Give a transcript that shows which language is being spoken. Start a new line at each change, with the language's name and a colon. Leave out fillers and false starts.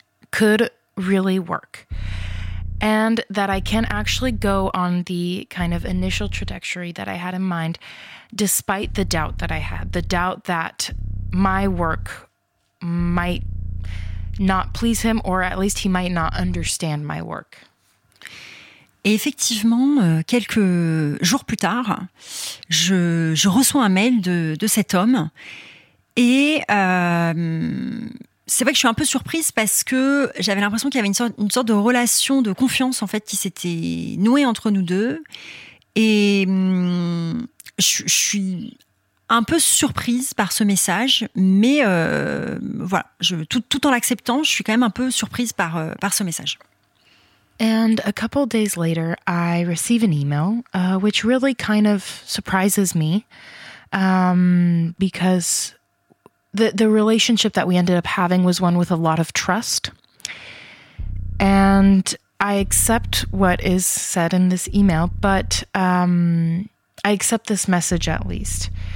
English: could really work, and that I can actually go on the kind of initial trajectory that I had in mind, despite the doubt that I had, the doubt that my work might not please him, or at least he might not understand my work.
French: Et effectivement, quelques jours plus tard, je reçois un mail de cet homme. Et c'est vrai que je suis un peu surprise parce que j'avais l'impression qu'il y avait une sorte de relation de confiance en fait, qui s'était nouée entre nous deux. Et je suis un peu surprise par ce message, mais voilà, tout en l'acceptant, je suis quand même un peu surprise par ce message.
English: And a couple days later, I receive an email, which really kind of surprises me, because the relationship that we ended up having was one with a lot of trust. And I accept what is said in this email, but I accept this message at least.